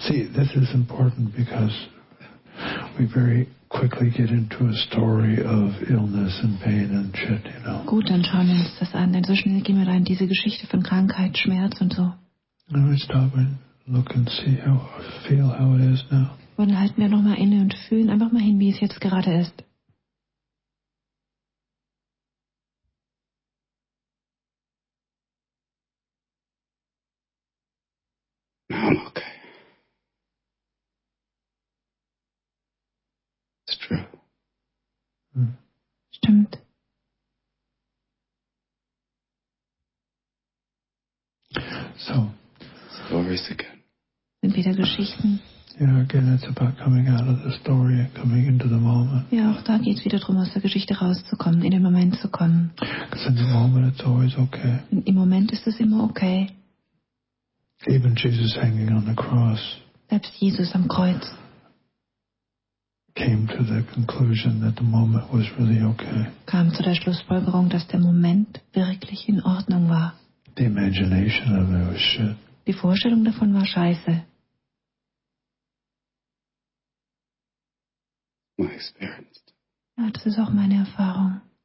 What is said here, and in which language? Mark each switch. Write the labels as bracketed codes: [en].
[en] See, this is important because we very quickly get into a story of illness and pain and shit, you know. [de] Gut, dann schauen wir uns das an. Denn so schnell gehen wir rein in diese Geschichte von Krankheit, Schmerz und so. [en] Let me stop and look and see how I feel how it is now. [de] Und dann halten wir noch mal inne und fühlen einfach mal hin, wie es jetzt gerade ist. [en] No, I'm okay. It's true. [de] Stimmt. [en] So. Stories again. [de] Sind wieder Geschichten. [en] Yeah, again, it's about coming out of the story and coming into the moment. [de] Ja, auch da geht's wieder drum, aus der Geschichte rauszukommen, in den Moment zu kommen. [en] Because in the moment it's always okay. [de] Im Moment ist es immer okay. [en] Even Jesus hanging on the cross. [de] Selbst Jesus am Kreuz. [en] Came to the conclusion that the moment was really okay. [de] Kam zu der Schlussfolgerung, dass der Moment wirklich in Ordnung war. [en] The imagination of it was shit. [de] Die Vorstellung davon war scheiße. [en] My experience. [de] Ja, das ist auch meine Erfahrung.